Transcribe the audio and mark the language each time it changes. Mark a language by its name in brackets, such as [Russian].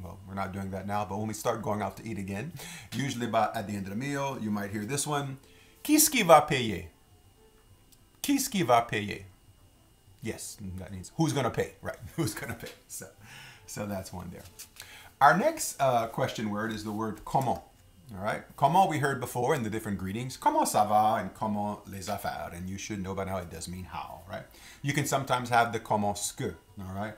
[English] Well, we're not doing that now, but when we start going out to eat again, usually about at the end of the meal, you might hear this one. [French] Qui va payer? Qui va payer? [English] Yes, that means who's going to pay, right? Who's going to pay? So that's one there. Our next question word is the word comment. All right. Comment we heard before in the different greetings. [French] Comment ça va [English] and [French] comment les affaires. [English] And you should know by now it does mean how, right? You can sometimes have the comment ce que, all right?